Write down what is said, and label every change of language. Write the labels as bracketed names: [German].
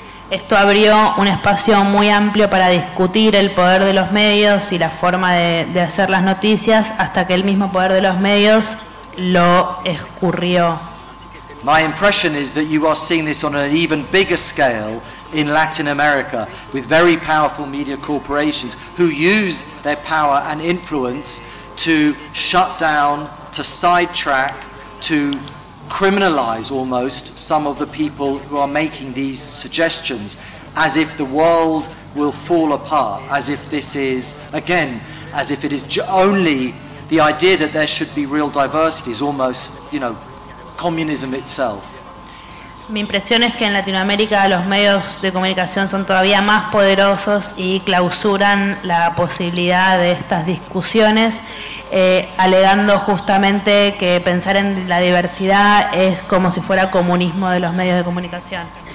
[Spanish] Esto abrió un espacio muy amplio para discutir el poder de los medios y la forma de hacer las noticias, hasta que el mismo poder de los medios lo escurrió. [English] My impression is that you are seeing this on an even bigger scale in Latin America, with very powerful media corporations who use their power and influence to shut down, to sidetrack, to criminalize almost some of the people who are making these suggestions, as if the world will fall apart, as if this is, again, as if it is only the idea that there should be real diversity is almost, you know, communism itself. [Spanish] Mi impresión es que en Latinoamérica los medios de comunicación son todavía más poderosos y clausuran la posibilidad de estas discusiones, alegando justamente que pensar en la diversidad es como si fuera comunismo de los medios de comunicación.